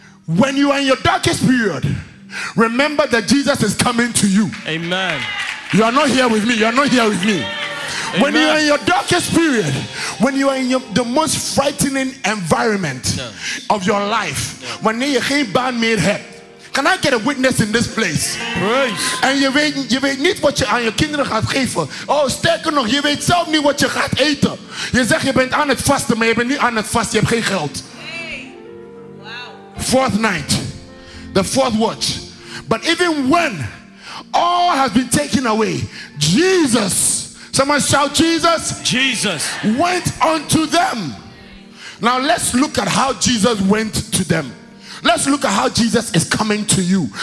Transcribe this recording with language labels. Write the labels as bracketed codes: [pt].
[en] When you are in your darkest period, remember that Jesus is coming to you. Amen. You are not here with me. Amen. When you are in your darkest period, when you are in the most frightening environment, yeah, of your life, when you can't ban me help. Can I get a witness in this place? Praise. And you [nl] weet, niet wat je aan je kinderen gaat geven. Oh, sterker nog, je weet zelf niet wat je gaat eten. Je zegt je bent aan het vasten, maar je bent niet aan het vasten. Je hebt geen geld. [en] Wow. Fourth night. The fourth watch. But even when all has been taken away, Jesus, someone shout Jesus. Jesus. Went unto them. Now let's look at how Jesus went to them. Let's look at how Jesus is coming to you.